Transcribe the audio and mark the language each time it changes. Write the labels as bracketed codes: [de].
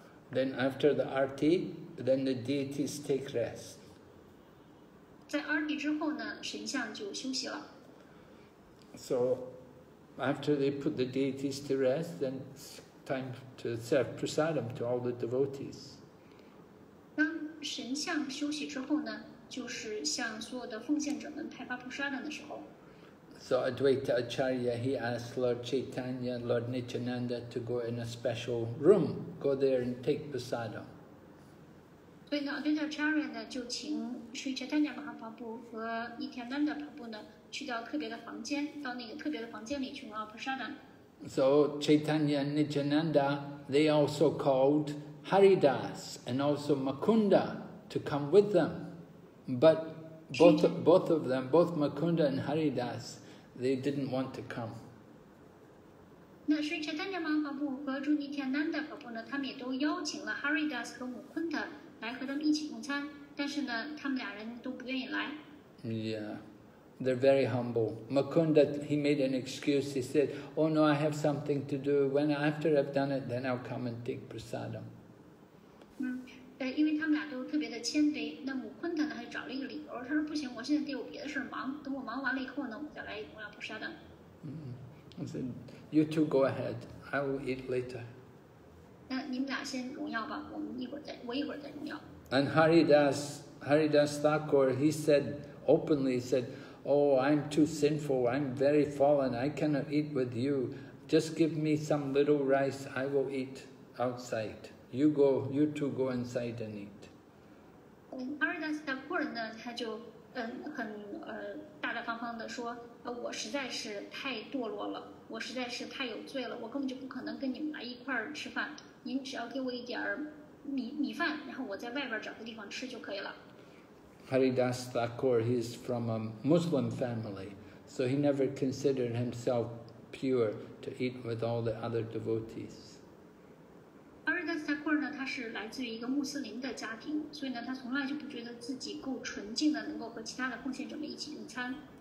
[en] Then after the arti, then the deities take rest. [zh] 在 arti 之后呢，神像就休息了。 [en] So after they put the deities to rest, then it's time to serve prasadam to all the devotees. [zh] 神像休息之后呢，就是向所有的奉献者们派发普沙丹的时候。 [en] So Advaita Acharya, he asked Lord Chaitanya, Lord Nityananda to go in a special room, go there and take prasadam. [zh] 所以呢 ，Advaita Acharya 呢就请 Sri Caitanya Mahaprabhu 和 Nityananda Prabhu 呢去到特别的房间，到那个特别的房间里去拿普沙丹。 [en] So Chaitanya and Nityananda, they also called. Haridas and also Makunda to come with them, but both of them, both Makunda and Haridas, they didn't want to come. [zh] 那 Sri Caitanya Mahaprabhu 和 Sri Nityananda Prabhu 呢，他们也都邀请了 Haridas 和 Makunda 来和他们一起用餐，但是呢，他们俩人都不愿意来。 [en] Yeah. They're very humble. Makunda, he made an excuse. He said, "Oh no, I have something to do. When after I've done it, then I'll come and take prasadam." [zh] 嗯，因为他们俩都特别的谦卑。那么Makunda呢，他就找了一个理由。他说：“不行，我现在得有别的事忙。等我忙完了以后呢，我再来我要prasadam。” 嗯，他说 [en] ：“You two go ahead. I will eat later.” [zh] 那你们俩先荣耀吧。我们一会儿再，我一会儿再荣耀。 [en] And Haridas Thakur, he said openly, said. Oh, I'm too sinful. I'm very fallen. I cannot eat with you. Just give me some little rice. I will eat outside. You go. You two go inside and eat. [zh] Haridas Thakur 呢，他就很大大方方的说，我实在是太堕落了，我实在是太有罪了，我根本就不可能跟你们来一块儿吃饭。您只要给我一点米饭，然后我在外边找个地方吃就可以了。 [en] Haridas Thakur, he's from a Muslim family, so he never considered himself pure to eat with all the other devotees. [zh] Haridas Thakur, 呢，他是来自于一个穆斯林的家庭，所以呢，他从来就不觉得自己够纯净的，能够和其他的奉献者们一起用餐。